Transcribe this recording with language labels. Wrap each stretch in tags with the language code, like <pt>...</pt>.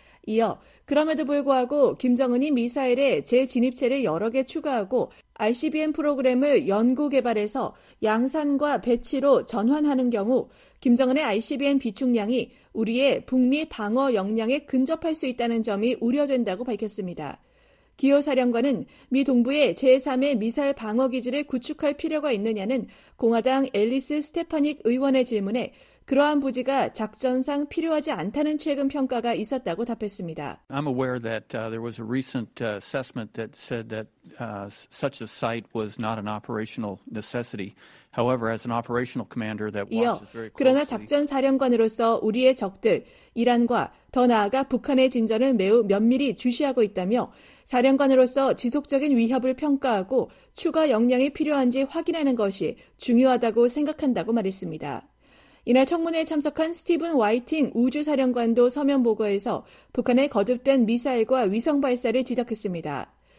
<ko>이어 그럼에도 불구하고 김정은이 미사일에 재진입체를 여러 개 추가하고 ICBM 프로그램을 연구 개발해서 양산과 배치로 전환하는 경우 김정은의 ICBM 비축량이 우리의 북미 방어 역량에 근접할 수 있다는 점이 우려된다고 밝혔습니다. 기호사령관은 미 동부에 제3의 미사일 방어 기지를 구축할 필요가 있느냐는 공화당 앨리스 스테파닉 의원의 질문에 그러한 부지가 작전상 필요하지 않다는 최근 평가가 있었다고 답했습니다.</ko> <en>I'm aware that there was a recent assessment that said that such a site was not an operational necessity. However, as an operational commander that watches very closely.</en> <ko>그러나 작전 사령관으로서 우리의 적들 이란과 더 나아가 북한의 진전을 매우 면밀히 주시하고 있다며 사령관으로서 지속적인 위협을 평가하고 추가 역량이 필요한지 확인하는 것이 중요하다고 생각한다고 말했습니다. 이날 청문회에 참석한 스티븐 와이팅 우주사령관도 서면 보고에서 북한의 거듭된 미사일과 위성 발사를 지적했습니다.</ko>